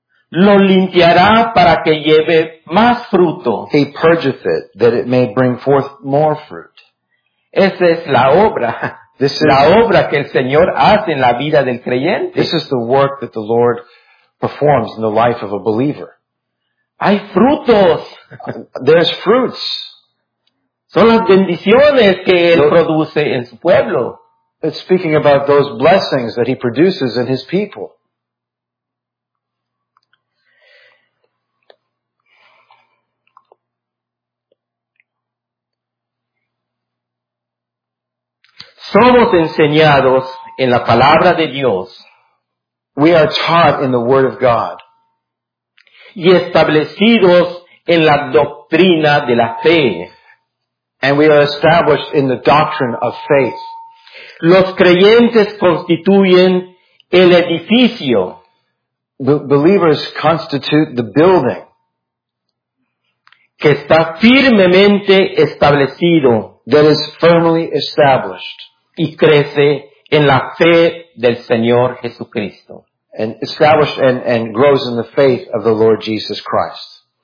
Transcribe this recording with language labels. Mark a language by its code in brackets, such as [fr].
[es] lo limpiará para que lleve más fruto. [en] He purgeth it, that it may bring forth more fruit. [es] Esa es la obra. [en] This [es] la [en] is, [es] obra que el Señor hace en la vida del creyente. [en] This is the work that the Lord performs in the life of a believer. [es] Hay frutos. [en] There's fruits. [es] Son las bendiciones que Él produce en su pueblo. [en] It's speaking about those blessings that He produces in His people. [es] Somos enseñados en la palabra de Dios. [en] We are taught in the word of God. [es] Y establecidos en la doctrina de la fe. [en] And we are established in the doctrine of faith. [es] Los creyentes constituyen el edificio. [en] believers constitute the building. [es] Que está firmemente establecido. [en] That is firmly established. [es] Y crece en la fe del Señor Jesucristo. [en] And established and grows in the faith of the Lord Jesus Christ.